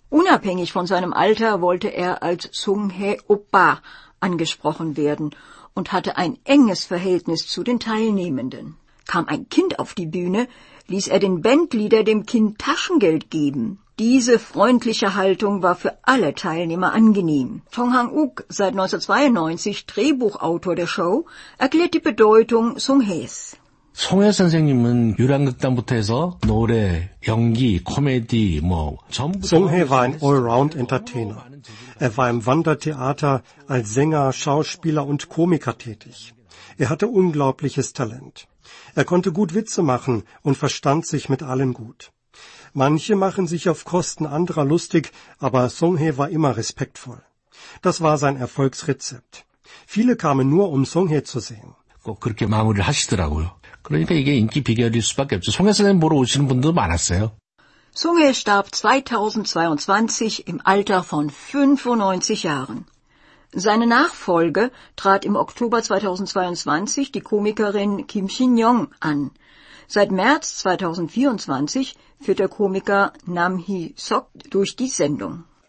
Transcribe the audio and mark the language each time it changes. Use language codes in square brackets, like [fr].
[de] Unabhängig von seinem Alter wollte er als Song Hae Oppa angesprochen werden und hatte ein enges Verhältnis zu den Teilnehmenden. Kam ein Kind auf die Bühne, ließ er den Bandleader dem Kind Taschengeld geben. Diese freundliche Haltung war für alle Teilnehmer angenehm. Chong Hang-uk, seit 1992 Drehbuchautor der Show, erklärt die Bedeutung Song Hae's. [ko] Song Hae 선생님은 유랑극단부터 해서 노래, 연기, 코미디 뭐 전부 [de] Song Hae war ein Allround-Entertainer. Er war im Wandertheater als Sänger, Schauspieler und Komiker tätig. Er hatte unglaubliches Talent. Er konnte gut Witze machen und verstand sich mit allen gut. Manche machen sich auf Kosten anderer lustig, aber Song Hae war immer respektvoll. Das war sein Erfolgsrezept. Viele kamen nur, um Song Hae zu sehen. [ko] 꼭 그렇게 마무리를 하시더라고요. 그러니까 이게 인기 비결일 수밖에 없죠. 송혜 선생님 보러 오시는 분들도 많았어요. [de] Song Hae starb 2022 im Alter von 95 Jahren. Seine Nachfolge trat im Oktober 2022 die Komikerin Kim Shin-young an. Seit März 2024 führt der Komiker Nam Hee-seok durch die Sendung.